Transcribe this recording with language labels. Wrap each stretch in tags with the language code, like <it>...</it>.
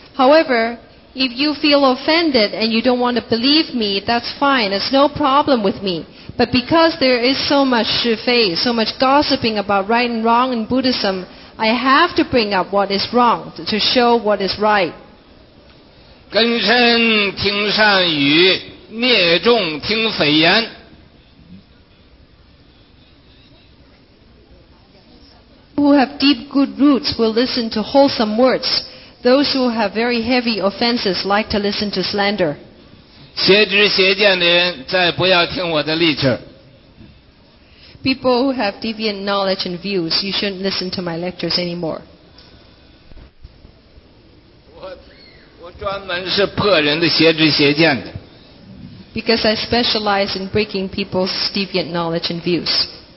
<en>However, if you feel offended and you don't want to believe me, that's fine. It's no problem with me. But because there is so much是非, so much gossiping about right and wrong in Buddhism, I have to bring up what is wrong to show what is right.</en> <zh>根深听善语，孽重听匪言。</zh> <en>Who have deep good roots will listen to wholesome words. Those who have very heavy offenses like to listen to slander.</en> <zh>邪知邪见的人再不要听我的例子。</zh> <en>People who have deviant knowledge and views, you shouldn't listen to my lectures anymore.</en> <zh>我专门是破人的邪知邪见的。</zh> <en>Because I specialize in breaking people's deviant knowledge and views.</en>